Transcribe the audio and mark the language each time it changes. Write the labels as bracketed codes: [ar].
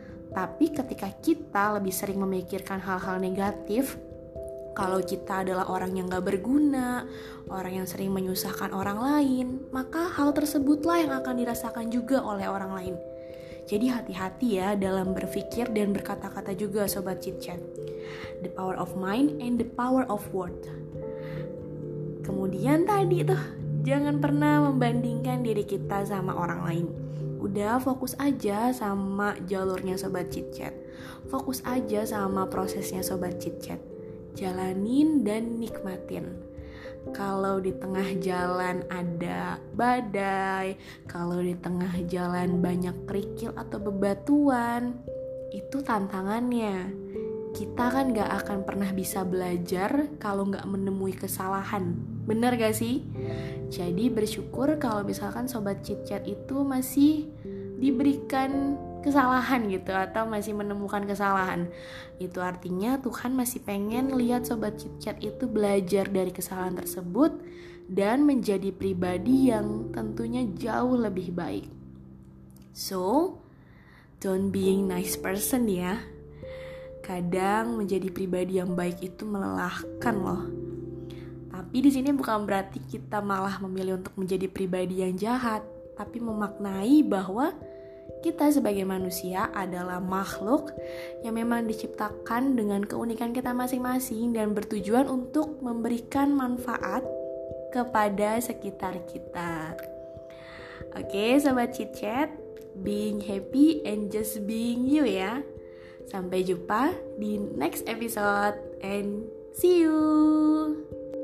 [id] Tapi ketika kita lebih sering memikirkan hal-hal negatif, kalau kita adalah orang yang gak berguna, orang yang sering menyusahkan orang lain, maka hal tersebutlah yang akan dirasakan juga oleh orang lain. Jadi hati-hati ya dalam berpikir dan berkata-kata juga Sobat Cicet. [en] The power of mind and the power of word. [id] Kemudian tadi tuh, jangan pernah membandingkan diri kita sama orang lain. Udah fokus aja sama jalurnya Sobat Cicet. Fokus aja sama prosesnya Sobat Cicet. Jalanin dan nikmatin. Kalau di tengah jalan ada badai, kalau di tengah jalan banyak kerikil atau bebatuan, itu tantangannya. Kita kan gak akan pernah bisa belajar kalau gak menemui kesalahan. Bener gak sih? Jadi bersyukur kalau misalkan Sobat Cicet itu masih diberikan kesalahan gitu, atau masih menemukan kesalahan. Itu artinya Tuhan masih pengen lihat Sobat Cicet itu belajar dari kesalahan tersebut dan menjadi pribadi yang tentunya jauh lebih baik. [en] So, don't being nice person ya. [id] Kadang menjadi pribadi yang baik itu melelahkan loh. Tapi di sini bukan berarti kita malah memilih untuk menjadi pribadi yang jahat, tapi memaknai bahwa kita sebagai manusia adalah makhluk yang memang diciptakan dengan keunikan kita masing-masing dan bertujuan untuk memberikan manfaat kepada sekitar kita. [en] Oke, Sobat Cicet, being happy and just being you ya. [id] Sampai jumpa di [en] next episode and see you.